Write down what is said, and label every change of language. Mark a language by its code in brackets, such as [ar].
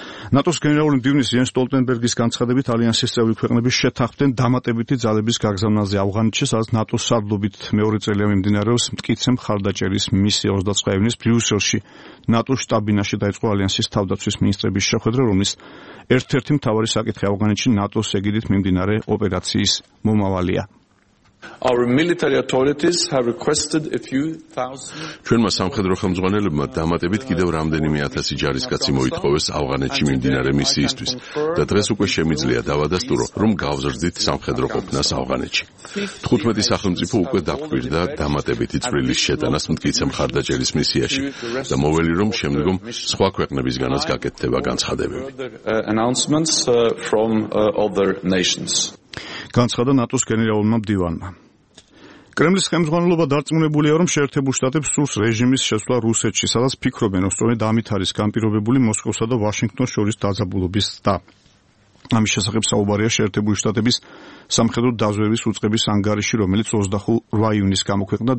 [ka] ნატოს გენერალური მდივნის იენს სტოლტენბერგის განცხადებით, ალიანსის წევრი ქვეყნები შეთანხმდნენ დამატებითი ძალების გაგზავნაზე ავღანეთში, სადაც ნატოს სარდლობით მეორე წელია მიმდინარეობს მტკიცე მხარდაჭერის მისია. 29 ივნისს ბრიუსელში ნატოს შტაბინაში დაიწყო ალიანსის თავდაცვის მინისტრების შეხვედრა, რომლის ერთ-ერთი მთავარი საკითხი ავღანეთში ნატოს ეგიდით მიმდინარე ოპერაციის მომავალია. [en] Our military authorities have requested a few thousand. [ka] ჩვენმა სამხედრო ხელმძღვანელებმა დამატებით კიდევ რამდენიმე ათასი ჯარისკაცი მოითხოვეს ავღანეთში მიმდინარე მისიისთვის და დღეს უკვე შემიძლია დავადასტურო, რომ გავზრდით სამხედრო ყოფნას ავღანეთში. 15 სახელმწიფო უკვე დაგვირდა დამატებითი წვლილის შეტანას მტკიცე მხარდაჭერის მისიაში და მოველი, რომ შემდგომ სხვა ქვეყნებისგანაც გაკეთდება განცხადებები. [en] Announcements from other nations. [ka] განცხადა ნატოს გენერალურმა მდივანმა. კრემლის ხელმძღვანელობა დარწმუნებულია, რომ შეერთებულ შტატებს სურს რეჟიმის შესვლა რუსეთში, სადაც ფიქრობენ, რომ სწორედ ამით არის განპირობებული მოსკოვსა და ვაშინგტონს შორის დაძაბულობის ცდა. ამის შესახებ საუბარია შეერთებული შტატების სამხედრო დაზვერვის უწყების ანგარიში, რომელიც 28 ივნისს გამოქვეყნდა.